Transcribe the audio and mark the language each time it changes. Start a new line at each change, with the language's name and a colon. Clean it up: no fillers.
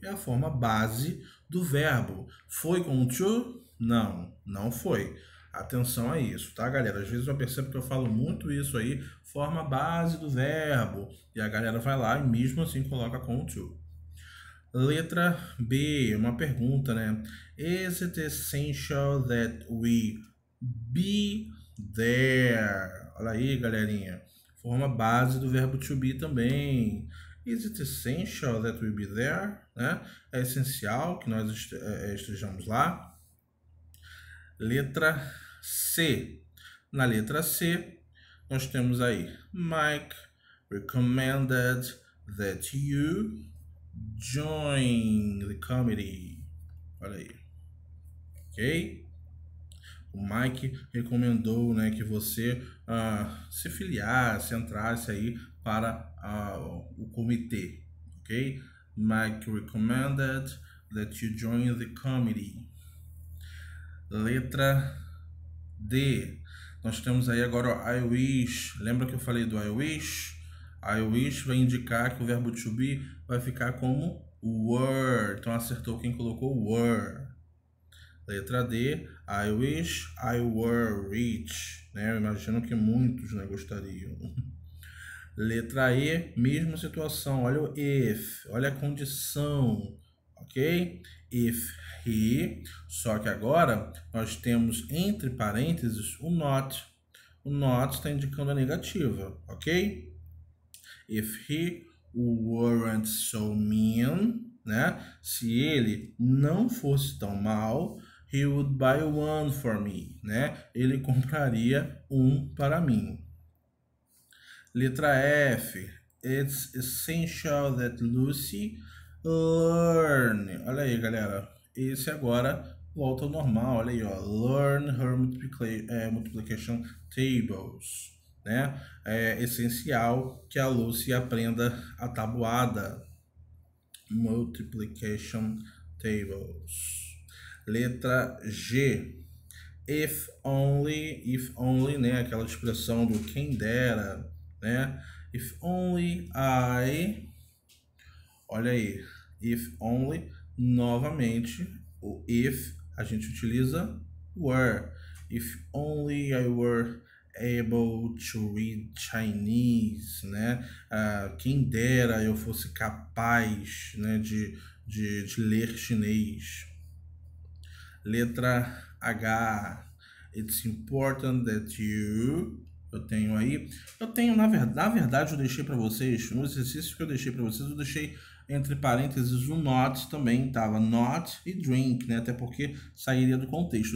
Portuguese: É a forma base do verbo. Foi com to? Não, não foi. Atenção a isso, tá, galera? Às vezes eu percebo que eu falo muito isso aí, forma base do verbo. E a galera vai lá e mesmo assim coloca com o to. Letra B, uma pergunta, né?
English: Is it essential that we be there?
Portuguese: Olha aí, galerinha. Forma base do verbo to be também.
English: Is it essential that we be there?
Portuguese: Né? É essencial que nós estejamos lá. Letra C. Na letra C, nós temos aí:
English: Mike recommended that you join the committee.
Portuguese: Olha aí. Ok? O Mike recomendou, né, que você se filiasse, entrasse aí para o comitê. Ok?
English: Mike recommended that you join the committee.
Portuguese: Letra D. Nós temos aí agora I wish. Lembra que eu falei do I wish? I wish vai indicar que o verbo to be vai ficar como were. Então acertou quem colocou were. Letra D.
English: I wish I were rich.
Portuguese: Né? Eu imagino que muitos, né, gostariam. Letra E. Mesma situação. Olha o if. Olha a condição. Ok? If he, só que agora nós temos entre parênteses o not. O not está indicando a negativa, ok?
English: If he weren't so mean,
Portuguese: né? Se ele não fosse tão mal,
English: he would buy one for me,
Portuguese: né? Ele compraria um para mim. Letra F.
English: It's essential that Lucy learn.
Portuguese: Olha aí, galera. Esse agora volta ao normal. Olha aí, ó.
English: Learn her multiplication tables.
Portuguese: Né? É essencial que a Lucy aprenda a tabuada. Multiplication tables. Letra G.
English: If only, né?
Portuguese: Aquela expressão do quem dera, né?
English: If only I. Olha aí.
Portuguese: If only, novamente, o if a gente utiliza were.
English: If only I were able to read Chinese, né?
Portuguese: Quem dera eu fosse capaz, né, de ler chinês. Letra H.
English: It's important that you.
Portuguese: Eu tenho aí. Eu tenho, na verdade, eu deixei para vocês, no exercício que eu deixei para vocês, eu deixei entre parênteses o not também, tava not e drink, né? Até porque sairia do contexto.